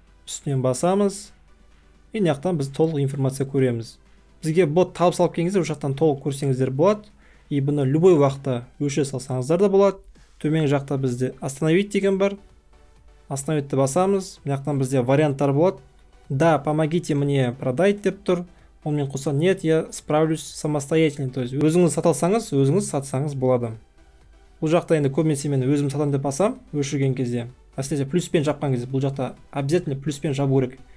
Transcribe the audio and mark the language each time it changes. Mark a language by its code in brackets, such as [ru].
[kk] Үстінен басамыз. И мына жақтан біз толық информация көреміз. Бізге бот табыс алып келген кезде осы жақтан толық көрсеңіздер болады. И бұны любой уақытта өше салсаңыздар да болады. Төмен жақта бізде остановить деген бар. Остановить-ті басамыз. Мына жақтан бізде варианттар болады. [ru] Да, помогите мне продать [kk] деп тұр. Онымен қоса [ru] нет, я справлюсь самостоятельно. [kk] То есть өзіңіз саталсаңыз, өзіңіз сатсаңыз болады. Бұл жақта енді көбінесе мен өзім сатамын деп басам өшірген кезде. Әсіресе плюспен жапқан кезде бұл жақта обязательно плюспен жабу керек.